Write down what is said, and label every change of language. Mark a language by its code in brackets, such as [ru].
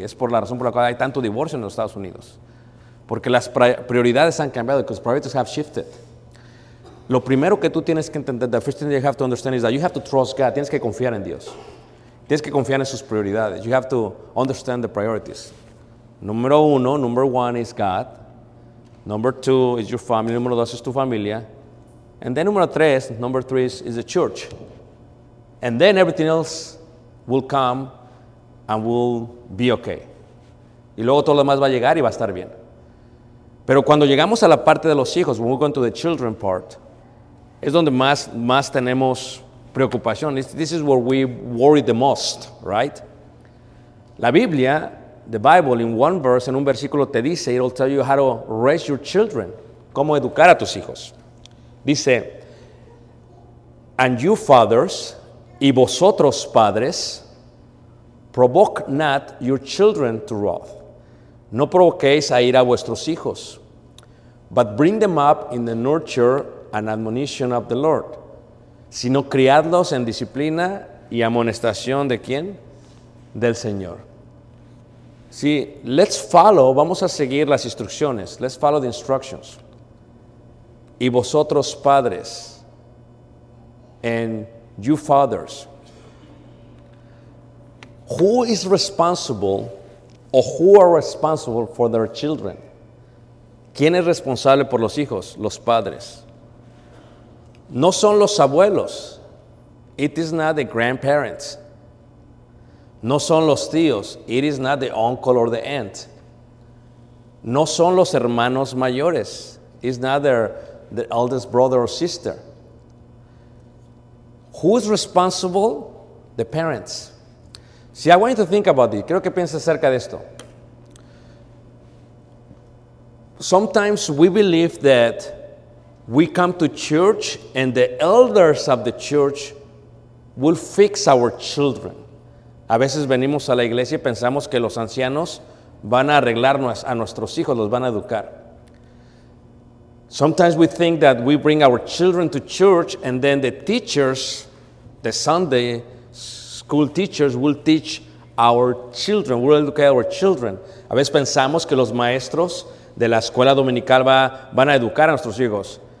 [es] Es por la razón por la cual hay tanto divorcio en los Estados Unidos. Porque las prioridades han cambiado, [en] because priorities have shifted. [es] Lo primero que tú tienes que entender, [en] the first thing you have to understand is that you have to trust God. [es] Tienes que confiar en Dios. Tienes que confiar en sus prioridades. [en] You have to understand the priorities. [es] Número uno, [en] number one is God. Number two is your family. [es] Número dos es tu familia. [en] And then [es] número tres, [en] number three is the church. And then everything else will come and will be okay. [es] Y luego todo lo demás va a llegar y va a estar bien. Pero cuando llegamos a la parte de los hijos, [en] when we go into the children part, [es] es donde más tenemos preocupación. [en] This is where we worry the most, right? [es] La Biblia, [en] the Bible, in one verse, [es] en un versículo te dice, [en] it'll tell you how to raise your children, [es] cómo educar a tus hijos. [en] Dice, and you fathers, [es] y vosotros padres, [en] provoke not your children to wrath. [es] No provoquéis a ira a vuestros hijos, [en] but bring them up in the nurture and admonition of the Lord. [es] Sino criadlos en disciplina y amonestación de quién? Del Señor. Sí, [en] let's follow, [es] vamos a seguir las instrucciones. [en] Let's follow the instructions. [es] Y vosotros padres, [en] and you fathers, who is responsible or who are responsible for their children? [es] ¿Quién es responsable por los hijos? Los padres. No son los abuelos. [en] It is not the grandparents. [es] No son los tíos. [en] It is not the uncle or the aunt. [es] No son los hermanos mayores. [en] It's not the oldest brother or sister. Who is responsible? The parents. See, I want you to think about this. [es] Quiero que pienses acerca de esto. [en] Sometimes we believe that we come to church and the elders of the church will fix our children. [es] A veces venimos a la iglesia y pensamos que los ancianos van a arreglar a nuestros hijos, los van a educar. [en] Sometimes we think that we bring our children to church and then the teachers, the Sunday school teachers, will teach our children, will educate our children. [es] A veces pensamos que los maestros de la escuela dominical van a educar a nuestros hijos.